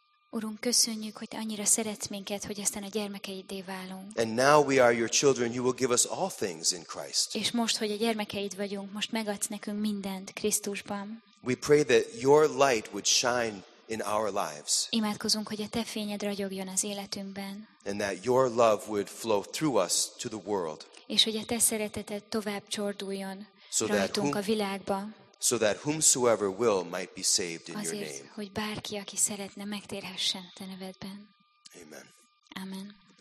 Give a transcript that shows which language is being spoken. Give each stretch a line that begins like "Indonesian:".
Hungarian: Urunk, köszönjük, hogy te annyira szeretsz minket, hogy aztán a gyermekeiddé válunk.
English: And now we are your children, you will give us all things in Christ.
Hungarian: És most, hogy a gyermekeid vagyunk, most megadsz nekünk mindent Krisztusban.
English: We pray that your light would shine in our lives.
Hungarian: Imádkozunk, hogy a te fényed ragyogjon az életünkben.
English: And that your love would flow through us to the world.
Hungarian: És hogy a te szereteted tovább csorduljon rajtunk a világba.
English: So that whomsoever will might be saved in your name.
Hungarian: Hogy bárki, aki szeretne, megtérhessen te nevedben.
English: Amen.
Hungarian: Amen.